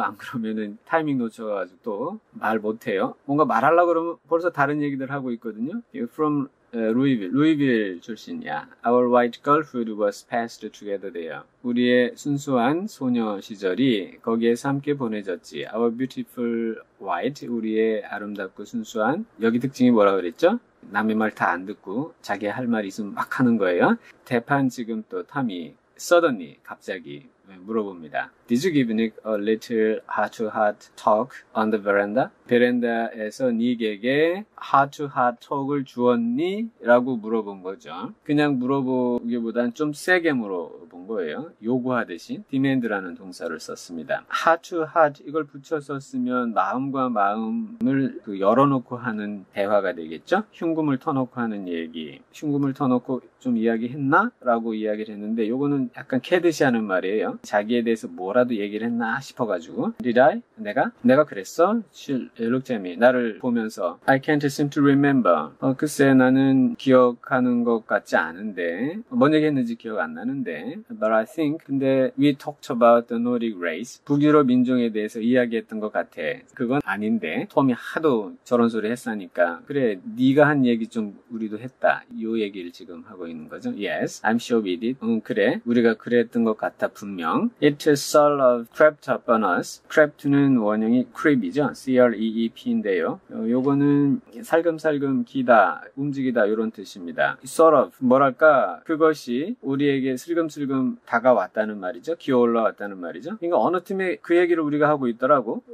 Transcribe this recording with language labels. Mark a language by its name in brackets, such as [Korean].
[Korean] 안 그러면은 타이밍 놓쳐가지고 또말 못해요. 뭔가 말하려고 그러면 벌써 다른 얘기들 하고 있거든요. [English] You're from Louisville [Korean] 출신이야. [English] Our white girlhood was passed together there. [Korean] 우리의 순수한 소녀 시절이 거기에서 함께 보내졌지. [English] Our beautiful white, [Korean] 우리의 아름답고 순수한. 여기 특징이 뭐라 그랬죠? 남의 말다안 듣고 자기 할말 있으면 막 하는 거예요. 대판 지금 또 탐이 suddenly 갑자기 물어봅니다. [English] Did you give Nick a little heart-to-heart talk on the veranda? [Korean] 베란다에서 닉에게 heart-to-heart talk을 주었니? 라고 물어본 거죠. 그냥 물어보기보단 좀 세게 물어본 거예요. 요구하듯이 demand라는 동사를 썼습니다. heart-to-heart 이걸 붙여서 쓰면 마음과 마음을 열어놓고 하는 대화가 되겠죠? 흉금을 터놓고 하는 얘기. 흉금을 터놓고 좀 이야기했나? 라고 이야기를 했는데 요거는 약간 캐듯이 하는 말이에요. 자기에 대해서 뭐라도 얘기를 했나 싶어가지고 [English] Did I? [Korean] 내가? 내가 그랬어? [English] She looked at me. [Korean] 나를 보면서 [English] I can't seem to remember. [Korean] 글쎄 나는 기억하는 것 같지 않은데 뭔 얘기했는지 기억 안 나는데 [English] But I think [Korean] 근데 [English] We talked about the Nordic race. [Korean] 북유럽 민족에 대해서 이야기했던 것 같아. 그건 아닌데 톰이 하도 저런 소리 했으니까 그래 네가 한 얘기 좀 우리도 했다. 요 얘기를 지금 하고 있는 거죠. [English] Yes, I'm sure we did. [Korean] 그래 우리가 그랬던 것 같아 분명. [English] It is sort of crept up on us. [Korean] Crept는 원형이 creep이죠. CREEP인데요. 요거는 살금살금 기다, 움직이다 요런 뜻입니다. Sort of 뭐랄까 그것이 우리에게 슬금슬금 다가왔다는 말이죠. 기어올라왔다는 말이죠. 그러니까 어느 틈에 그 얘기를 우리가 하고 있더라고.